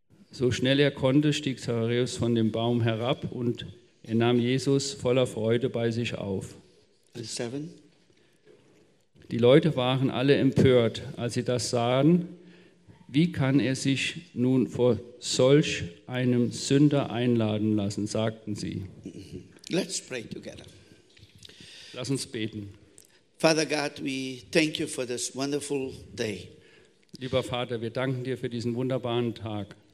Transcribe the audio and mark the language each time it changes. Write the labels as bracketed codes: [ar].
[de] So schnell er konnte, stieg Zacharias von dem Baum herab und er nahm Jesus voller Freude bei sich auf. Die Leute waren alle empört, als sie das sahen. Wie kann er sich nun vor solch einem Sünder einladen lassen, sagten sie. [en] Let's pray together. [de] Lass uns beten. [en] Father God, we thank you for this wonderful day. [de] Lieber Vater, wir danken dir für diesen wunderbaren Tag.